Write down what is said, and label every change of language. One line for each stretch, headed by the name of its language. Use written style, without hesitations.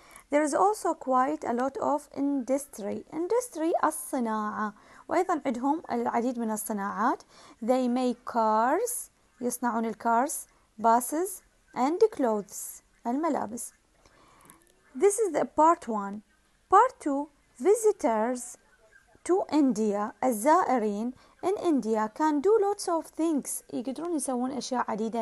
English: There is also quite a lot of industry.
Arabic: Industry الصناعة، وأيضا عندهم العديد من الصناعات.
English: They make cars،
Arabic: يصنعون الكارز، باسز
English: and clothes،
Arabic: الملابس.
English: This is the part one. Part two، visitors to India،
Arabic: الزائرين
English: in India can do lots of things،
Arabic: يقدرون يسوون أشياء عديدة.